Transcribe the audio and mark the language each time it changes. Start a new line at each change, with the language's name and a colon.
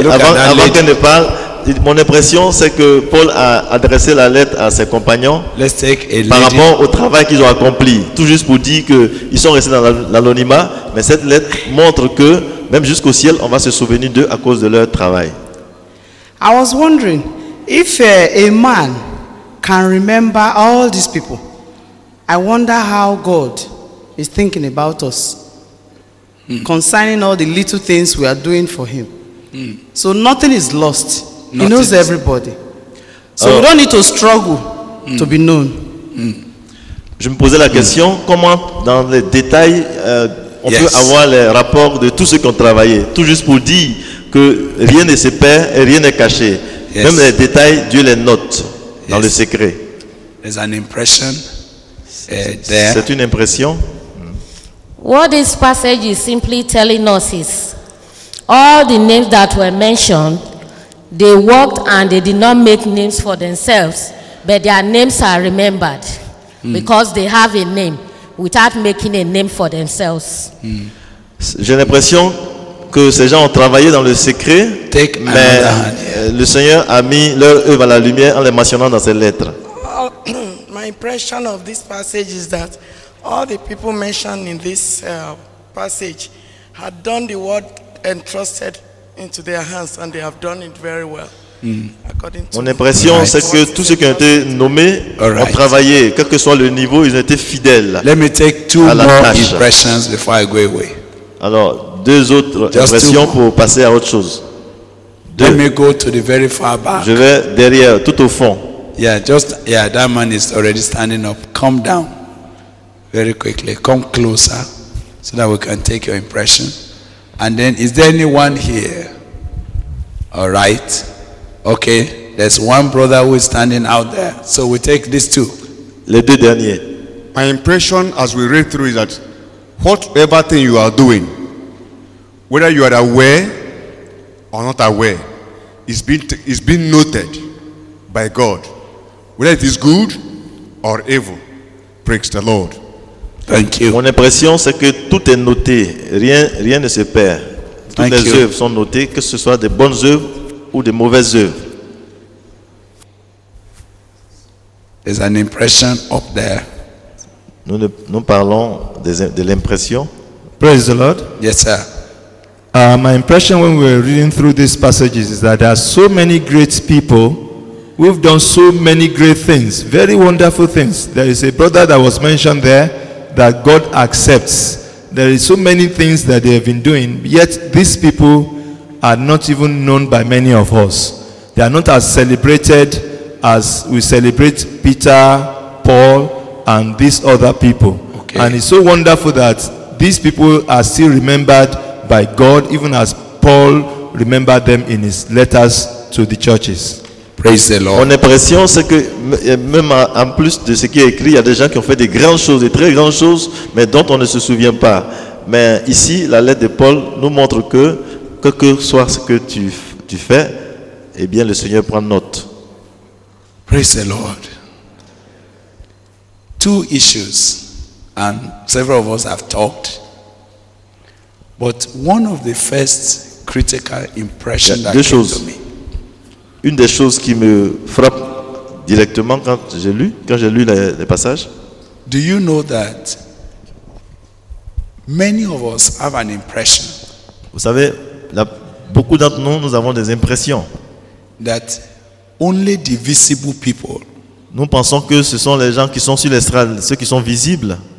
French: avant qu'elle ne parle, mon impression c'est que Paul a adressé la lettre à ses compagnons par rapport au travail qu'ils ont accompli. Tout juste pour dire qu'ils sont restés dans l'anonymat, mais cette lettre montre que même jusqu'au ciel, on va se souvenir d'eux à cause de leur travail.
English: I was wondering if a man can remember all these people. I wonder how God is thinking about us. Concerning all the little things we are doing for him. So nothing is lost. Nothing. He knows everybody. So we don't need to struggle to be known.
French: Je me posais la question, comment dans les détails on peut avoir les rapports de tous ceux qui ont travaillé? Tout juste pour dire que rien ne se perd et rien n'est caché. Même les détails, Dieu les note dans le secret.
English: There's an impression.
French: C'est une impression.
English: What this passage is simply telling us is all the names that were mentioned, they worked and they did not make names for themselves, but their names are remembered because they have a name without making a name for themselves.
French: J'ai l'impression que ces gens ont travaillé dans le secret, mais le Seigneur a mis leur œuvre à la lumière en les mentionnant dans ses lettres.
English: My impression of this passage is that all the people mentioned in this passage had done the word entrusted into their hands, and they have done it very well. According to
French: mon impression, c'est que tous ceux qui ont été nommés ont travaillé, quel que soit le niveau, ils ont été fidèles.
English: Let me take two more impressions before I go away.
French: Alors, deux autres impressions pour passer à autre chose.
English: Let me go to the very far back.
French: Je vais derrière, tout au fond.
English: Yeah, that man is already standing up. Calm down. Very quickly, come closer so that we can take your impression. And then, is there anyone here? All right. Okay, there's one brother who is standing out there. So we take these two.
French: Les deux derniers.
English: My impression as we read through is that whatever thing you are doing, whether you are aware or not aware, is being noted by God. Whether it is good or evil, praise the Lord. Thank you.
French: Mon impression, c'est que tout est noté. Rien ne se perd. Toutes les œuvres sont notées, que ce soit des bonnes œuvres ou des mauvaises œuvres.
English: There's an impression up there.
French: Nous parlons de l'impression.
English: Praise the Lord. Yes, sir. My impression when we were reading through these passages is that there are so many great people. We've done so many great things, very wonderful things. There is a brother that was mentioned there that God accepts. There is so many things that they have been doing, yet these people are not even known by many of us. They are not as celebrated as we celebrate Peter, Paul, and these other people. Okay. And it's so wonderful that these people are still remembered by God, even as Paul remembered them in his letters to the churches. Praise the Lord.
French: Mon impression, c'est que même en plus de ce qui est écrit, il y a des gens qui ont fait des grandes choses, des très grandes choses, mais dont on ne se souvient pas. Mais ici, la lettre de Paul nous montre que, quel que soit ce que tu fais, eh bien, le Seigneur prend note.
English: Praise the Lord. Two issues, and several of us have talked, but one of the first critical impressions that came to me.
French: Une des choses qui me frappe directement quand j'ai lu les passages.
English: Do you know that many of us have an impression?
French: Vous savez, beaucoup d'entre nous avons des impressions.
English: That only the visible people.
French: Nous pensons que ce sont les gens qui sont sur l'estrade, ceux qui sont visibles.